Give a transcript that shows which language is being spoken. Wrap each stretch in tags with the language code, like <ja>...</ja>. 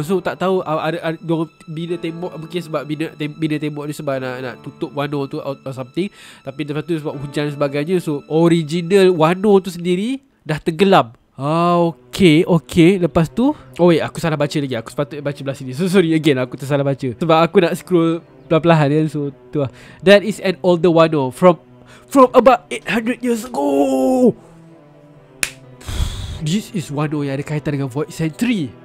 <ms>So tak tahu ada bina tembok, mungkin sebab bina tembok ni sebab nak tutup Wano tu</ms> <en>or something.</en> <ms>Tapi lepas tu sebab hujan dan sebagainya, so original Wano tu sendiri dah tenggelam. Okay. Lepas tu, aku salah baca lagi. Aku sepatutnya baca belah sini.</ms> <en>So sorry again,</en> <ms>aku tersalah baca. Sebab aku nak scroll pelan-pelan ya. So tu lah.</ms> <en>That is an older Wano From about 800 years ago. This is</en> <ms>Wano yang ada kaitan dengan Void Century.</ms>